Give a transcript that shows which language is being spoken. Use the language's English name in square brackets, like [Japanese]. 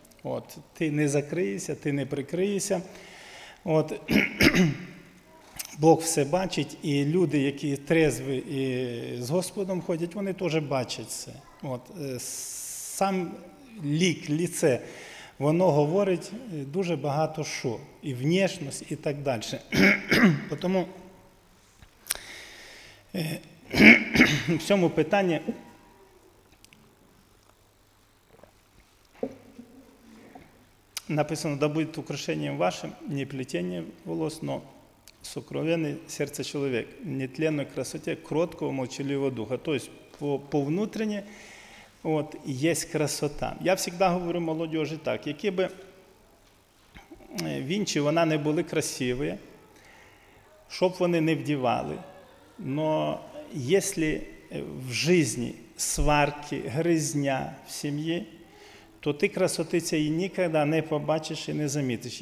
[Ukrainian] От, ти не закриєшся, ти не прикриєшся. От, Бог все бачить, і люди, які трезві і з Господом ходять, вони теж бачать це. От, сам лік, ліце, воно говорить дуже багато що. І внешність, і так далі. Тому в цьому питанні написано, [Russian] да будет украшением вашим, не плетение волос, но сокровенное сердце человек, нетленной красоте, кроткого, молчаливого духа. То есть по внутренне от, есть красота. [Ukrainian] Я всегда говорю молодежи так, які би він чи вона не були красиві, що б вони не вдівали, но якщо в житті сварки, гризня в сім'ї, то ти красоти цієї ніколи не побачиш і не замітиш.